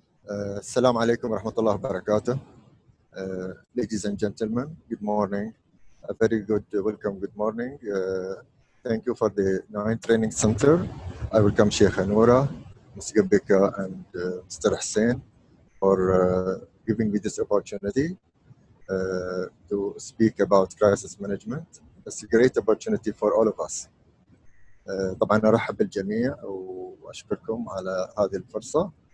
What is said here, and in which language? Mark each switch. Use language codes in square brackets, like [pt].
[ar] السلام عليكم ورحمة الله وبركاته. [en] Ladies and gentlemen, good morning. A very good welcome, good morning. Thank you for the Nine Training Center. I welcome Sheikh Anoura, Ms. Gabbika, and Mr. Hussein for giving me this opportunity to speak about crisis management. It's a great opportunity for all of us. [ar] طبعاً أرحب بالجميع وأشكركم على هذه الفرصة.